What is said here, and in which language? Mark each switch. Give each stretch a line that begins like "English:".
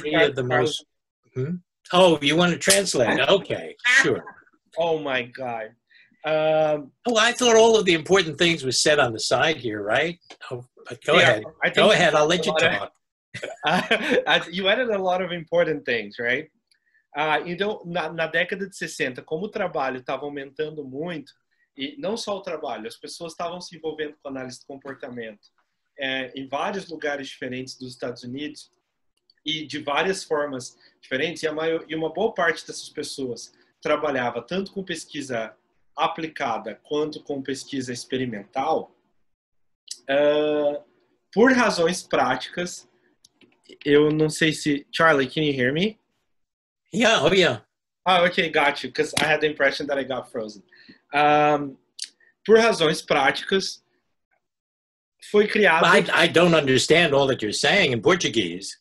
English: three of the most... Oh, you want to translate? Okay, sure. Oh, my God. I thought all of the important things were said on the side here, right? Go ahead. Go ahead. I'll let you talk. You added a lot of important things, right?
Portuguese: Então, na década de 60, como o trabalho estava aumentando muito, e não só o trabalho, as pessoas estavam se envolvendo com análise de comportamento em vários lugares diferentes dos Estados Unidos e de várias formas diferentes, e uma boa parte dessas pessoas trabalhava tanto com pesquisa aplicada quanto com pesquisa experimental, por razões práticas, eu não sei se...
English: Charlie, can you hear me? Yeah, oh yeah. Ah, okay, got you, because I had the impression that I got frozen.
Portuguese: Por razões práticas, foi criado...
English: I don't understand all that you're saying in Portuguese.